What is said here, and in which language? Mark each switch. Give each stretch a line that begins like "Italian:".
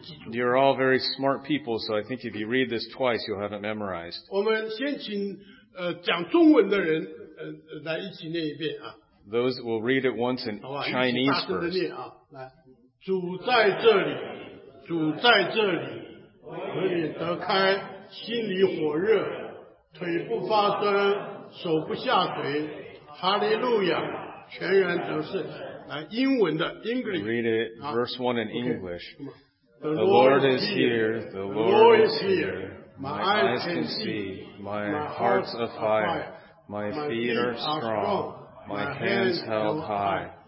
English: You're all very smart people, so I think if you read this twice, you'll have it memorized.
Chinese: 我们先请, 讲中文的人, 来一起念一遍啊。
English: Those will read it once in
Chinese: 好吧,
English: Chinese first.
Chinese: 来, 主在这里, 主在这里, 可以得开, 心里火热, 腿不发酸, 手不下垂, Hallelujah, 全然得胜。来,英文的, English.
English: Read it, verse 1 in English. Okay. The Lord is here, the Lord is here. My eyes can see, my heart's afire. My feet are strong, my hands held high.